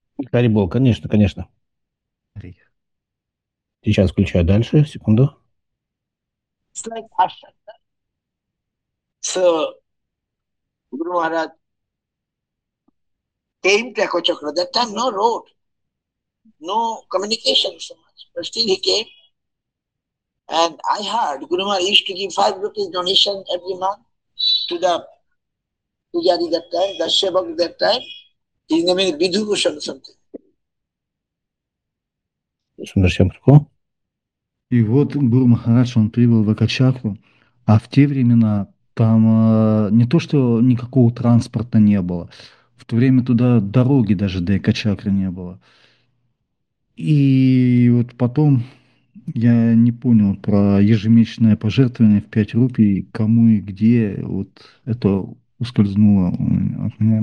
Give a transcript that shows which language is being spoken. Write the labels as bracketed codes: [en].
[ru] Харибол, конечно, конечно. Сейчас включаю дальше, секунду. [en] It's like Ashan. So, Guru Maharaj came to Akashokara. That time, no road, no communication so much. But still, he came. And I heard Guru Maharaj used to give 5 rupees donation every month to the Pujari that time, the Shevak that time. His name is Bidhubhushan or something. [ru] И вот Гуру Махарадж, он прибыл в Акачакру, а в те времена там не то, что никакого транспорта не было, в то время туда дороги даже до Акачакры не было. И вот потом я не понял про ежемесячное пожертвование в 5 рупий, кому и где, вот это ускользнуло от меня.